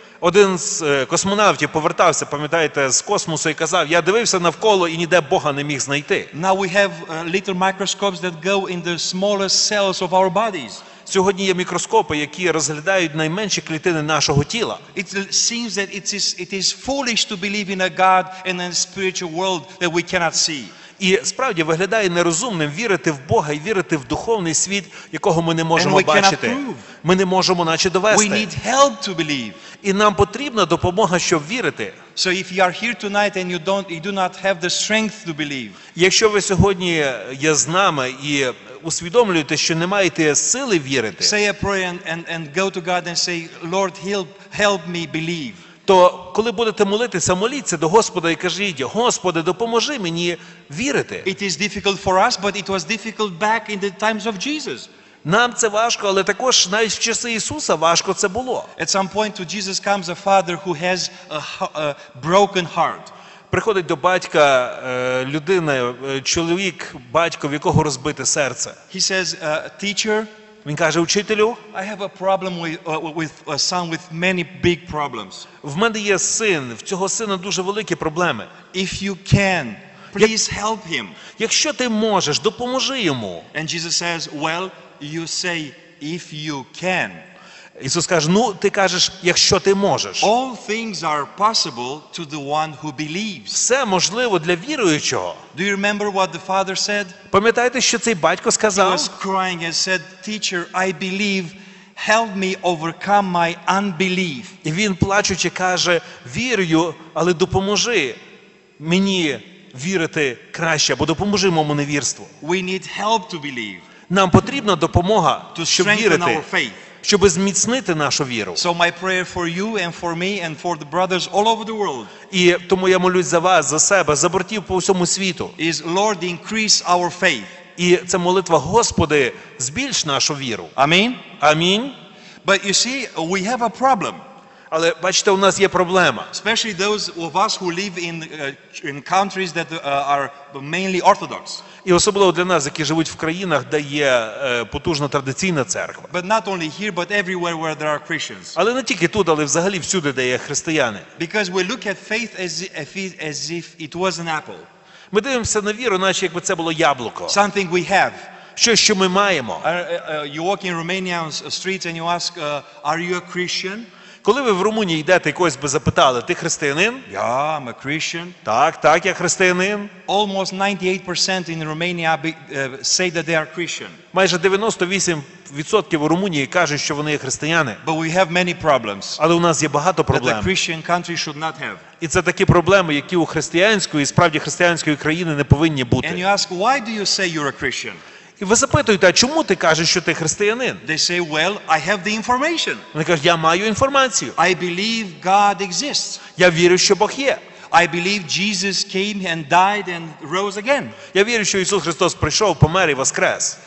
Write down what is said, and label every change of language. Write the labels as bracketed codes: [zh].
[uk] Один з космонавтів повертався, пам'ятаєте, з космосу і казав: "Я дивився навколо і ніде Бога не міг знайти". [en] Now we have little microscopes that go in the smallest cells of our bodies. [uk] Сьогодні є мікроскопи, які розглядають найменші клітини нашого тіла. [en] It seems that it is foolish to believe in a God and a spiritual world that we cannot see. [uk] І справді виглядає нерозумним вірити в Бога і вірити в духовний світ, якого ми не можемо бачити. Ми не можемо наче довести. [en] We need help to believe. [uk] І нам потрібна допомога, щоб вірити. [en] So if you are here tonight and you do not have the strength to believe. [uk] Якщо ви сьогодні є з нами і усвідомлюєте, що не маєте сили вірити. [en] Say a prayer and go to God and say, Lord, help me believe. [uk] То коли будете молитися, моліться до Господа і кажіть: "Господи, допоможи мені вірити". [en] It is difficult for us, but it was difficult back in the times of Jesus. [uk] Нам це важко, але також навіть в часи Ісуса важко це було. [en] At some point to Jesus comes a father who has a broken heart. [uk] Приходить до батька людина, чоловік, батько, в якого розбите серце. [en] He says, teacher, [uk] він каже: "Учителю, [en] I have a problem with a son with many big problems. [uk] В мене є син, в цього сина дуже великі проблеми. [en] If you can, please help him. [uk] Якщо ти можеш, допоможи йому". [en] And Jesus says, "Well, you say if you can." [uk] Ісус каже: "Ну, ти кажеш, якщо ти можеш". [en] All things are possible to the one who believes. [uk] Все можливо для віруючого. [en] Do you remember what the father said? [uk] Пам'ятаєте, що цей батько сказав? [en] He was crying and said, "Teacher, I believe. Help me overcome my unbelief." [uk] І він плачучи каже: "Вірю, але допоможи мені вірити краще, бо допоможи моєму невірству". [en] We need help to believe. [uk] Нам потрібна допомога, щоб вірити. [en] To strengthen our faith. [uk] Щоб зміцнити нашу віру. [en] So my prayer for you and for me and for the brothers all over the world. [uk] І тому я молюсь за вас, за себе, за братів по всьому світу. [en] Is Lord, increase our faith. [uk] І це молитва: "Господи, збільш нашу віру". Амінь. Амінь. [en] But you see, we have a problem. [uk] Але бачите, у нас є проблема. [en] Especially those of us who live in countries that are mainly orthodox. [uk] І особливо для нас, які живуть в країнах, де є потужна традиційна церква. [en] But not only here, but everywhere where there are Christians. [uk] Але не тільки тут, але взагалі всюди, де є християни. [en] Because we look at faith as if it was an apple. [uk] Ми дивимося на віру, наче якби це було яблуко. [en] Something we have. [uk] Що, що ми маємо? [en] You walk in Romania on the streets and you ask, are you a Christian? [uk] Коли ви в Румунії йдете, когось би запитали, ти християнин? [en] Yeah, I'm a Christian. [uk] Так, так, я християнин. [en] Almost 98% in Romania say that they are Christian. [uk] Майже 98% у Румунії каже, що вони є християни. [en] But we have many problems. [uk] Але у нас є багато проблем. [en] That a Christian country should not have. [uk] І це такі проблеми, які у християнської, справді християнської країни не повинні бути. [en] And you ask, why do you say you're a Christian? [uk] І ви запитуєте, а чому ти кажеш, що ти християнин? [en] They say, well, I have the information. [uk] Вони кажуть, я маю інформацію. [en] I believe God exists. [uk] Я вірю, що Бог є. [en] I believe Jesus came and died and rose again. [uk] Я вірю, що Ісус Христос прийшов, помер і воскрес.